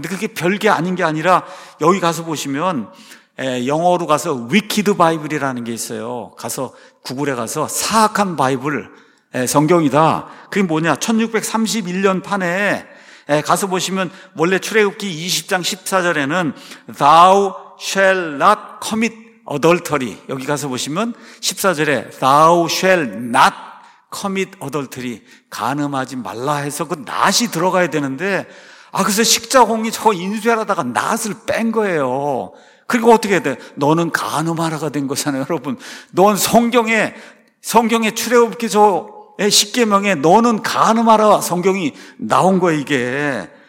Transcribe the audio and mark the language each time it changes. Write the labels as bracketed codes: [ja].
[ko] 근데 그게 별게 아닌 게 아니라 여기 가서 보시면 영어로 가서 위키드 바이블이라는 게 있어요. 가서 구글에 가서 사악한 바이블 성경이다. 그게 뭐냐? 1631년 판에 가서 보시면 원래 출애굽기 20장 14절에는 [en] Thou shall not commit adultery. [ko] 여기 가서 보시면 14절에 [en] Thou shall not commit adultery. [ko] 간음하지 말라 해서 그 낫이 들어가야 되는데 아 그래서 식자공이 저 인쇄하다가 낫을 뺀 거예요. 그리고 어떻게 해야 돼? 너는 간음하라가 된 거잖아요, 여러분. 넌 성경에 출애굽기 저 십계명에 너는 간음하라 성경이 나온 거야 이게.